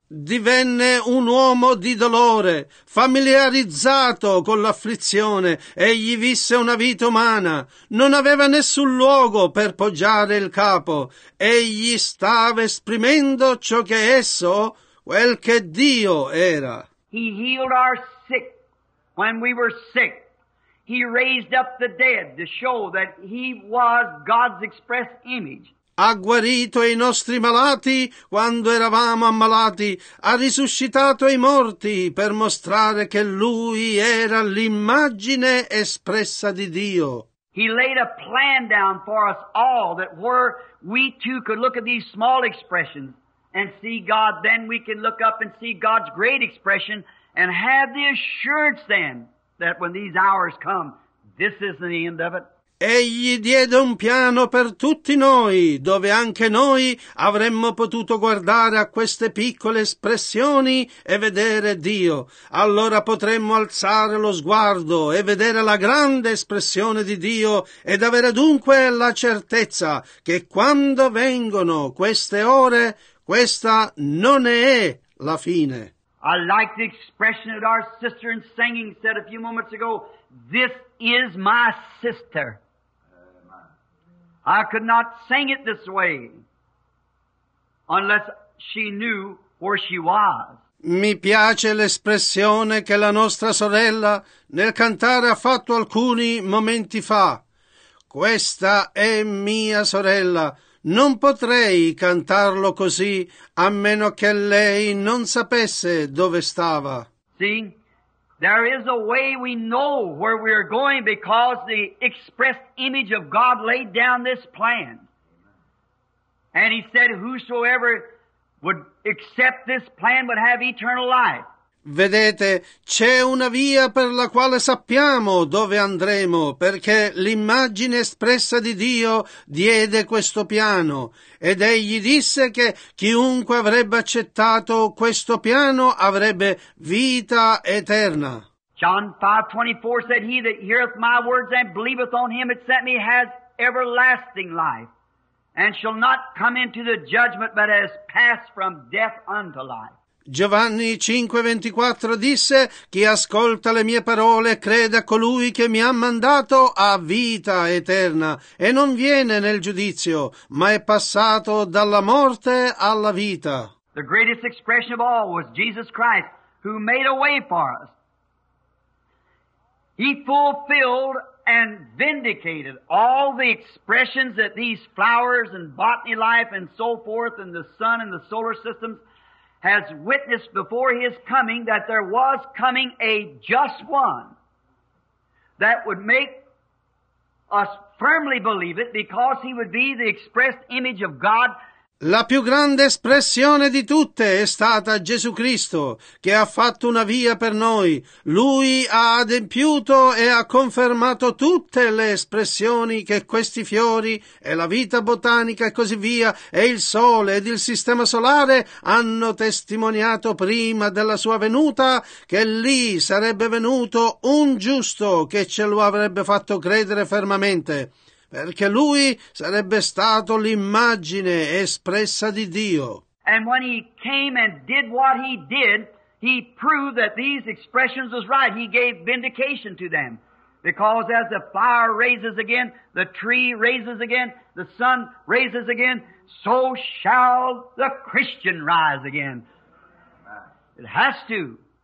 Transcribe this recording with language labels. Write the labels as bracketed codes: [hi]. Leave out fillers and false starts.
[it] Divenne un uomo di dolore, familiarizzato con l'afflizione. Egli visse una vita umana. Non aveva nessun luogo per poggiare il capo. Egli stava esprimendo ciò che esso, quel che Dio era. [en] He healed our sick when we were sick. He raised up the dead to show that he was God's express image. [it] Ha guarito i nostri malati quando eravamo ammalati, ha risuscitato i morti per mostrare che lui era l'immagine espressa di Dio. [en] He laid a plan down for us all that where we too could look at these small expressions and see God, then we can look up and see God's great expression and have the assurance then that when these hours come, this isn't the end of it. [it] Egli diede un piano per tutti noi, dove anche noi avremmo potuto guardare a queste piccole espressioni e vedere Dio. Allora potremmo alzare lo sguardo e vedere la grande espressione di Dio ed avere dunque la certezza che quando vengono queste ore, questa non è la fine. [en] I like the expression that our sister in singing said a few moments ago, "This is my sister." I could not sing it this way unless she knew where she was. [it] Mi piace l'espressione che la nostra sorella nel cantare ha fatto alcuni momenti fa. Questa è mia sorella. Non potrei cantarlo così a meno che lei non sapesse dove stava. [en] See, there is a way we know where we are going because the expressed image of God laid down this plan. And he said, whosoever would accept this plan would have eternal life. [it] Vedete, c'è una via per la quale sappiamo dove andremo, perché l'immagine espressa di Dio diede questo piano, ed egli disse che chiunque avrebbe accettato questo piano avrebbe vita eterna. [en] John 5:24 said, "He that heareth my words and believeth on him that sent me has everlasting life, and shall not come into the judgment, but has passed from death unto life." [it] Giovanni 5:24 disse, "Chi ascolta le mie parole e crede a colui che mi ha mandato ha vita eterna, e non viene nel giudizio, ma è passato dalla morte alla vita." [en] The greatest expression of all was Jesus Christ, who made a way for us. He fulfilled and vindicated all the expressions that these flowers and botany life and so forth and the sun and the solar systems has witnessed before his coming, that there was coming a just one that would make us firmly believe it, because he would be the expressed image of God. [it] La più grande espressione di tutte è stata Gesù Cristo, che ha fatto una via per noi. Lui ha adempiuto e ha confermato tutte le espressioni che questi fiori e la vita botanica e così via e il sole ed il sistema solare hanno testimoniato prima della sua venuta, che lì sarebbe venuto un giusto che ce lo avrebbe fatto credere fermamente. Perché lui sarebbe stato l'immagine espressa di Dio. [en] And when he came and did what he did, he proved that these expressions was right. He gave vindication to them. Because as the fire raises again, the tree raises again, the sun raises again, so shall the Christian rise again. It has to.